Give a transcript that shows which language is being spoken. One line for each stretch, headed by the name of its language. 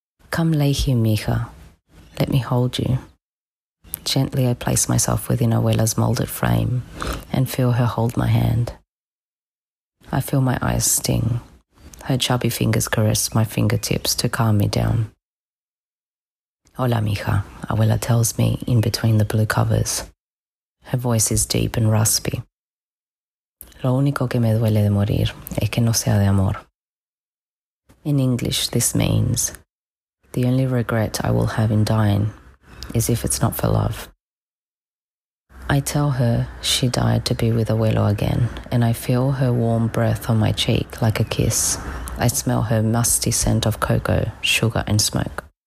English: Come lay here, mija. Let me hold you. Gently, I place myself within abuela's molded frame and feel her hold my hand. I feel my eyes sting. Her chubby fingers caress my fingertips to calm me down. Hola, mija, abuela tells me in between the blue covers. Her voice is deep and raspy.
Spanish: Lo único que me duele de morir es que no sea de amor.
English: In English, this means, the only regret I will have in dying is if it's not for love. I tell her she died to be with abuelo again, and I feel her warm breath on my cheek like a kiss. I smell her musty scent of cocoa, sugar, and smoke.